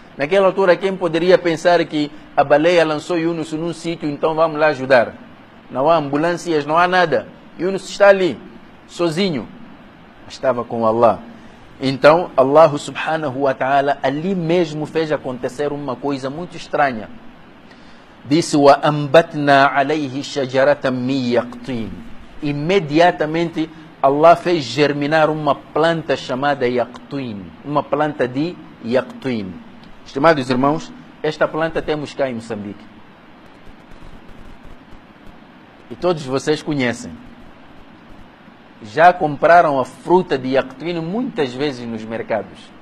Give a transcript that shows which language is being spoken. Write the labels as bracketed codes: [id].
[pt] Naquela altura, quem poderia pensar que a baleia lançou Yunus num sítio, então vamos lá ajudar. Não há ambulâncias, não há nada. Yunus está ali, sozinho. Estava com Allah. Então, Allah subhanahu wa ta'ala, ali mesmo fez acontecer uma coisa muito estranha. Disse, [ar] وَأَنْبَتْنَا عَلَيْهِ شَجَرَةً مِّنْ يَقْطِينَ. [pt] imediatamente Allah fez germinar uma planta chamada yaqtuin, uma planta de yaqtuin. Estimados irmãos, esta planta temos cá em Moçambique. E todos vocês conhecem. Já compraram a fruta de yaqtuin muitas vezes nos mercados.